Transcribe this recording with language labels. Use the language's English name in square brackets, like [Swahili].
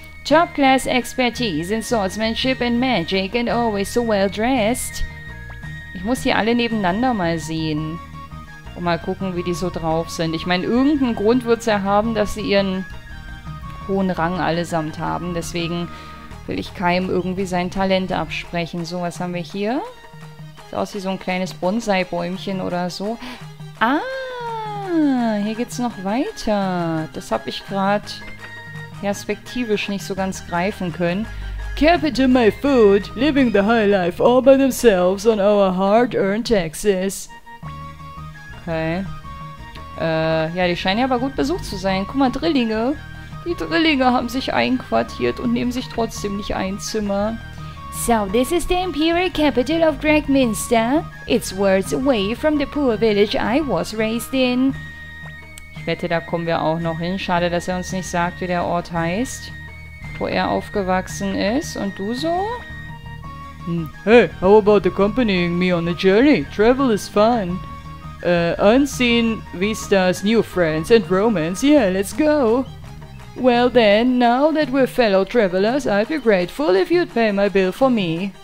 [English] Top class expertise in swordsmanship and magic and always so well dressed. [German] Ich muss hier alle nebeneinander mal sehen. Und mal gucken, wie die so drauf sind. Ich meine, irgendeinen Grund wird es ja haben, dass sie ihren hohen Rang allesamt haben. Deswegen will ich keinem irgendwie sein Talent absprechen. So, was haben wir hier? Sieht aus wie so ein kleines Bonsai-Bäumchen oder so. Ah! Hier geht's noch weiter. Das habe ich gerade perspektivisch nicht so ganz greifen können. [English] Capital my food, living the high life all by themselves on our hard-earned taxes. Okay. [German] Ja, die scheinen ja aber gut besucht zu sein. Guck mal, Drillinge. Die Drillinge haben sich einquartiert und nehmen sich trotzdem nicht ein Zimmer. [English] So, this is the Imperial Capital of Dragminster. It's worlds away from the poor village I was raised in. [German] Ich wette, da kommen wir auch noch hin. Schade, dass er uns nicht sagt, wie der Ort heißt, wo er aufgewachsen ist. Und du so? [English] Hey, how about accompanying me on a journey? Travel is fun. Unseen vistas, new friends and romance. Yeah, let's go. Well then, now that we're fellow travelers, I'd be grateful if you'd pay my bill for me.